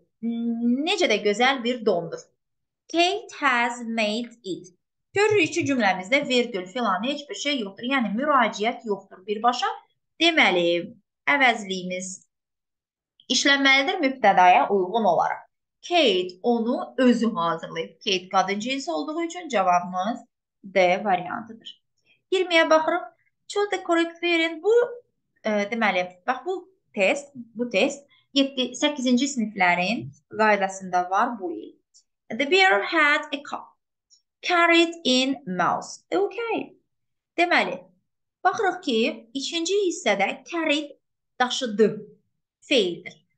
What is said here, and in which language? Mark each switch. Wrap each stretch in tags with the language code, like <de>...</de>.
<az>Necə də gözəl bir dondur.</az> <en>Kate has made it.</en> <az>Görürük ki, cümləmizdə virgül filan heç bir şey yoxdur. Yəni, müraciət yoxdur birbaşa. Deməli, əvəzliyimiz işlənməlidir mübtədaya uyğun olaraq. Kate onu özü hazırlayıb. Kate qadın cinsi olduğu üçün cavabımız D variantıdır. 20-yə baxırıq.</az> <en>To the correct variant.</en> <az>Bu, deməli, bax, bu test 7-8-ci siniflərin qaydasında var bu il.</az> <en>The bear had a cup. Carried in mouse. Okay.</en> <az>Deməli, baxırıq ki, ikinci hissədə carried daşıdı. Feildir.</az>